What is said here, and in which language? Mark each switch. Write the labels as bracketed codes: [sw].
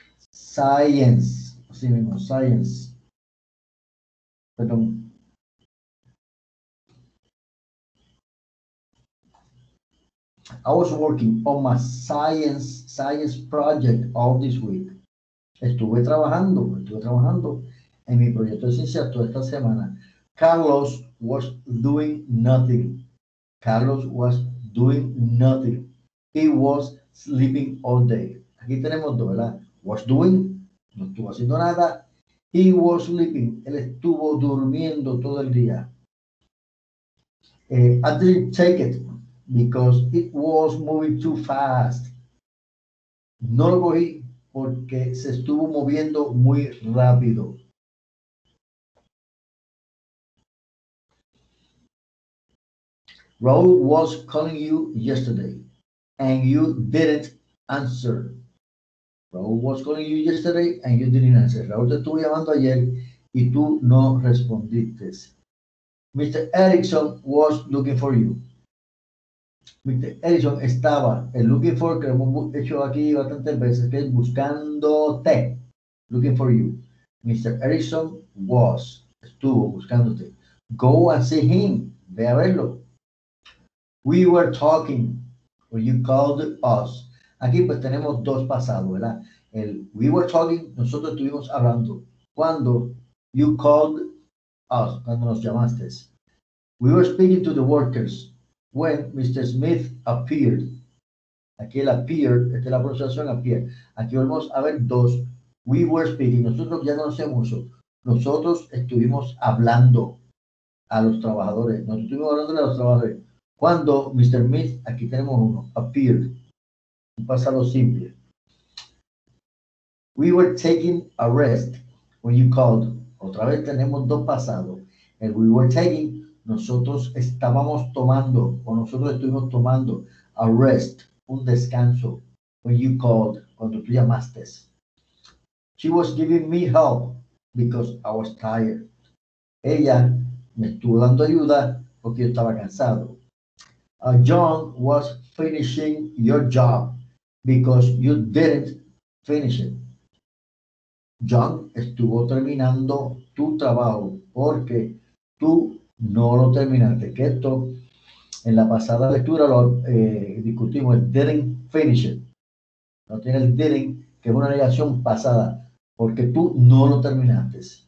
[es] Science. Así mismo, science. Perdón. [en] I was working on my science project all this week. [es] Estuve trabajando en mi proyecto de ciencia toda esta semana. [en] Carlos was doing nothing. Carlos was doing nothing. He was sleeping all day. [es] Aquí tenemos dos, ¿verdad? [en] Was doing, [es] no estuvo haciendo nada. [en] He was sleeping. [es] Él estuvo durmiendo todo el día. [en] I didn't take it. because it was moving too fast. [es] No lo cogí porque se estuvo moviendo muy rápido. [en] Raúl was calling you yesterday and you didn't answer. Raúl was calling you yesterday and you didn't answer. [es] Raúl te estuvo llamando ayer y tú no respondiste. Mr. [en] Erickson was looking for you. Mr. [es] Erickson estaba en [en] looking for, [es] que lo hemos hecho aquí bastantes veces, que es buscándote. [en] Looking for you. Mr. Erickson was, [es] estuvo buscándote. [en] Go and see him. [es] Ve a verlo. [en] We were talking when you called us. [es] Aquí pues tenemos dos pasados, ¿verdad? El [en] we were talking, [es] nosotros estuvimos hablando. Cuando [en] you called us, [es] cuando nos llamaste. [en] We were speaking to the workers when Mr. Smith appeared. [es] Aquí el appear, esta es la pronunciación, appear. Aquí volvemos a ver dos. [en] We were speaking, [es] nosotros ya conocemos eso. Nosotros estuvimos hablando a los trabajadores. Nosotros estuvimos hablando a los trabajadores. Cuando Mr. Smith, aquí tenemos uno, appeared. Un pasado simple. [en] We were taking a rest when you called. [es] Otra vez tenemos dos pasados. El [en] we were taking, [es] nosotros estábamos tomando, o nosotros estuvimos tomando [en] a rest, [es] un descanso, [en] when you called, [es] cuando tú llamaste. [en] She was giving me help because I was tired. [es] Ella me estuvo dando ayuda porque yo estaba cansado. [en] John was finishing your job because you didn't finish it. [es] John estuvo terminando tu trabajo porque tú no lo terminaste. Que esto, en la pasada lectura lo discutimos, el [en] didn't finish it. [es] No tiene el didn't, que es una negación pasada, porque tú no lo terminaste.